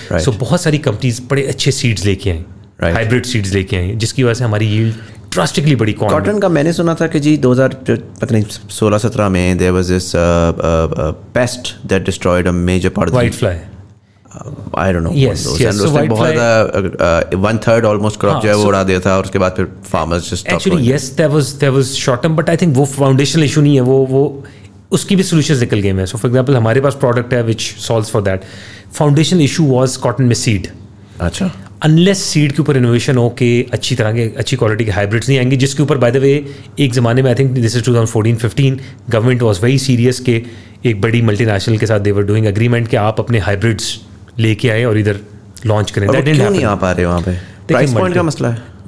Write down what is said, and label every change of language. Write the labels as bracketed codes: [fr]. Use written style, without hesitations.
[ur] سو بہت ساری کمپنیز بڑے اچھے سیڈز لے کے آئیں, ہائبرڈ سیڈز لے کے آئیں, جس کی وجہ سے ہماری ییلڈ ڈراسٹکلی بڑی. [en] corn [ur] کاٹن کا میں نے سنا تھا کہ جی 2016-17 میں [en] There was this pest that destroyed a major part white fly, I don't know. Yes, those. Yes. So white fly, the, one third almost crop [ur] جو ہے وہ اڑا دیا تھا, اور اس کے بعد پھر [en] farmers just stopped. Actually, yes, there was short term, but I think [ur] وہ foundational issue نہیں ہے, وہ اس کی بھی solutions نکل گئے ہیں. [en] So for example, [ur] ہمارے پاس product ہے [en] which solves for that. Foundational issue was cotton میں seed. [ur] اچھا. انلیس سیڈ کے اوپر انوویشن ہو کے اچھی طرح کے اچھی کوالٹی کے ہائبرڈس نہیں آئیں گے, جس کے اوپر [en] by the way [ur] ایک زمانے میں [en] I think this is 2014-15 government was very serious, [ur] کہ ایک بڑی ملٹی نیشنل کے ساتھ [en] they were doing agreement [ur] کہ آپ اپنے ہائبرڈس لے کے آئیں اور ادھر لانچ کریں. [en] That done happen. [ur] نہیں آ پا رہے وہاں پہ, پرائس پوائنٹ کا مسئلہ ہے.